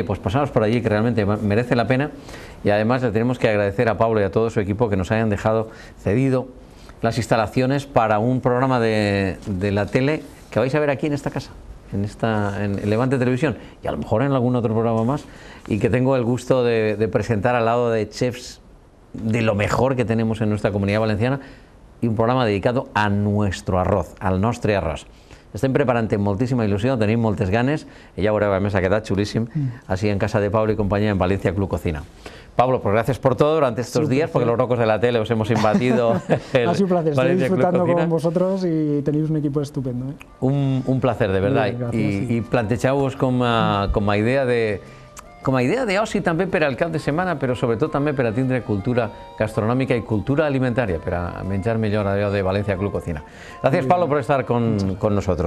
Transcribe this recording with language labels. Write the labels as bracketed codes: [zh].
[es] Oye, pues pasamos por allí, que realmente merece la pena, y además le tenemos que agradecer a Pablo y a todo su equipo que nos hayan dejado cedido las instalaciones para un programa de la tele que vais a ver aquí en esta casa, en Levante Televisión, y a lo mejor en algún otro programa más, y que tengo el gusto de presentar al lado de chefs de lo mejor que tenemos en nuestra comunidad valenciana, y un programa dedicado a nuestro arroz, al nostre arroz. [ca] Estem preparant amb moltíssima il·lusió, tenim moltes ganes, i ja veureu, a més, ha quedat xulíssim, així en casa de Pablo i companyia en València Club Cocina. [es] Pablo, pues gracias por todo durante estos días, porque los rocos de la tele os hemos invadido. Ha sido un placer, estoy disfrutando con vosotros y tenéis un equipo estupendo. Un placer, de verdad. [ca] Y plantejaos com a idea de oci també per al cap de setmana, però sobretot també per a tindre cultura gastronòmica i cultura alimentària, per a menjar millor, allò de València Club Cocina. Gràcies, Pablo, per estar [es] con nosotros.